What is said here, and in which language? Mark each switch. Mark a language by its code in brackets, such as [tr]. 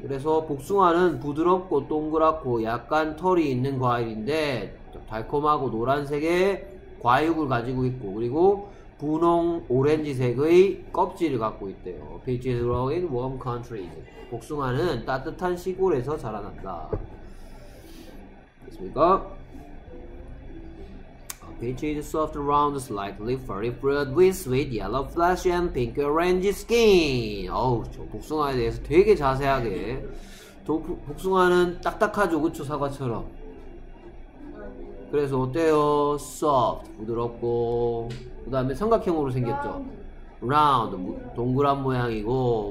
[ko] 그래서 복숭아는 부드럽고 동그랗고 약간 털이 있는 과일인데 달콤하고 노란색의 과육을 가지고 있고 그리고 분홍 오렌지색의 껍질을 갖고 있대요. [en] Peaches grow in warm countries. [ko] 복숭아는 따뜻한 시골에서 자라난다. 됐습니까? [en] Peaches are soft, round, slightly furry fruit with sweet yellow flesh and pink orange skin. [ko] 어우, 저 복숭아에 대해서 되게 자세하게. 복숭아는 딱딱하죠, 그쵸? 사과처럼. 그래서 어때요? Soft, 부드럽고. 그 다음에 삼각형으로 생겼죠? Round, 동그란 모양이고.